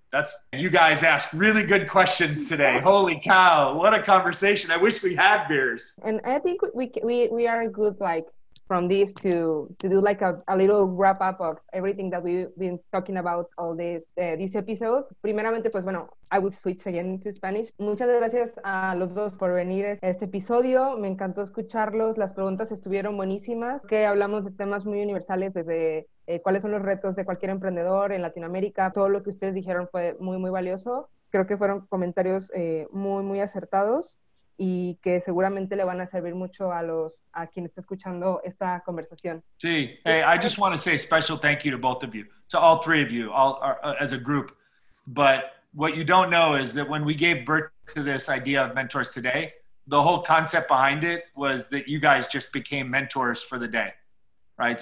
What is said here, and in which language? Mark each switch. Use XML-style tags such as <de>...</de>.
<en>That's, you guys asked really good questions today. Holy cow, what a conversation. I wish we had beers. And I think we are good, like, from this to do like a little wrap up of everything that we've been talking about all this this episode.</en> <es>Primeramente, pues bueno,</es> <en>I would switch again to Spanish.</en> <es>Muchas gracias a los dos por venir a este episodio. Me encantó escucharlos. Las preguntas estuvieron buenísimas. Que hablamos de temas muy universales, desde cuáles son los retos de cualquier emprendedor en Latinoamérica. Todo lo que ustedes dijeron fue muy, muy valioso. Creo que fueron comentarios muy, muy acertados. Y que seguramente le van a servir mucho a los a quien está escuchando esta conversación.</es> <en>Sí, hey, I just want to say a special thank you to both of you, to all three of you, all as a group. But what you don't know is that when we gave birth to this idea of mentors today, the whole concept behind it was that you guys just became mentors for the day, right?</en>